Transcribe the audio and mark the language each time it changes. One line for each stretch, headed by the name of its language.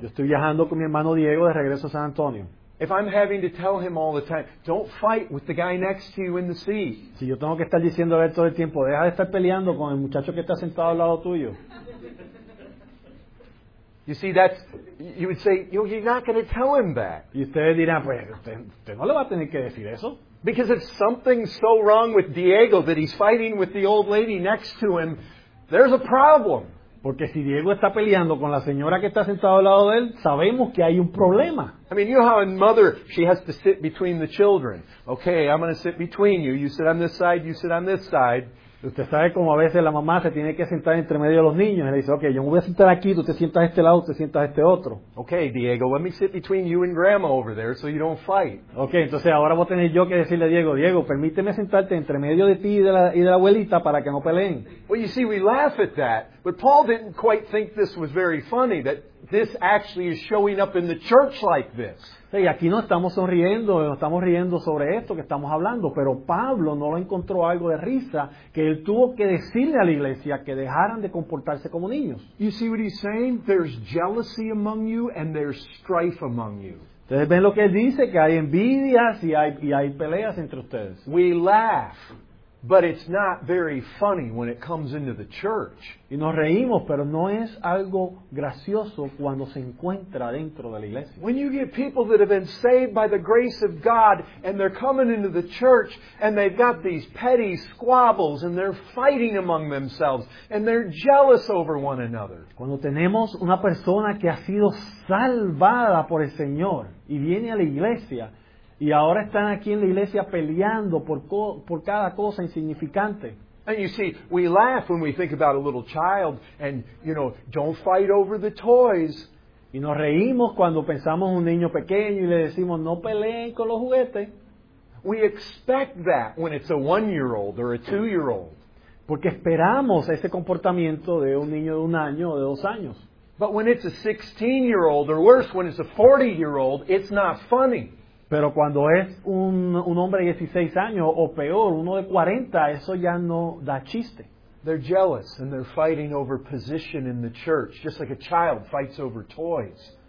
Spanish: Yo estoy viajando con mi hermano Diego de regreso a San Antonio.
English: If I'm having to tell him all the time, don't fight with the guy next to you in the seat.
Spanish: Si yo tengo que estar diciendo a él todo el tiempo, deja de estar peleando con el muchacho que está sentado al lado tuyo.
English: You see, you would say, you're not going to tell him that.
Spanish: Y ustedes dirán, pues, usted no le va a tener que decir eso.
English: Because if something's so wrong with Diego that he's fighting with the old lady next to him, there's a problem.
Spanish: Porque si Diego está peleando con la señora que está sentada al lado de él, sabemos que hay un problema.
English: I mean, you know how a mother, she has to sit between the children. Okay, I'm going to sit between you. You sit on this side, you sit on this side.
Spanish: Usted sabe cómo a veces la mamá se tiene que sentar entre medio de los niños. Y le dice, okay, yo me voy a sentar aquí, tú te sientas a este lado, tú te sientas a este otro.
English: Okay, Diego, let me sit between you and grandma over there so you don't fight.
Spanish: Okay, entonces ahora voy a tener yo que decirle a Diego, Diego, permíteme sentarte entre medio de ti y de la abuelita para que no peleen.
English: Well, you see, we laugh at that, but Paul didn't quite think this was very funny, that this actually is showing up in the church like this.
Spanish: Sí, aquí no estamos sonriendo, no estamos riendo sobre esto que estamos hablando, pero Pablo no lo encontró algo de risa, que él tuvo que decirle a la iglesia que dejaran de comportarse como niños.
English: You see what he's saying? There's jealousy among you and there's strife among you.
Spanish: Ustedes ven lo que él dice, que hay envidias y hay peleas entre ustedes.
English: We laugh, but it's not very funny when it comes into the church.
Spanish: Y nos reímos, pero no es algo gracioso cuando se encuentra dentro de la iglesia.
English: When you get people that have been saved by the grace of God and they're coming into the church and they've got these petty squabbles and they're fighting among themselves and they're jealous over one another.
Spanish: Cuando tenemos una persona que ha sido salvada por el Señor y viene a la iglesia, y ahora están aquí en la iglesia peleando por cada cosa insignificante.
English: And you see, we laugh when we think about a little child and, you know, don't fight over the toys.
Spanish: Y nos reímos cuando pensamos un niño pequeño y le decimos, no peleen con los juguetes.
English: We expect that when it's a one-year-old or a two-year-old.
Spanish: Porque esperamos ese comportamiento de un niño de un año o de dos años.
English: But when it's a 16-year-old or worse, when it's a 40-year-old, it's not funny.
Spanish: Pero cuando es un hombre de 16 años, o peor, uno de 40, eso ya no da chiste.
English: They're jealous and they're fighting over position in the church, just like a child fights over toys.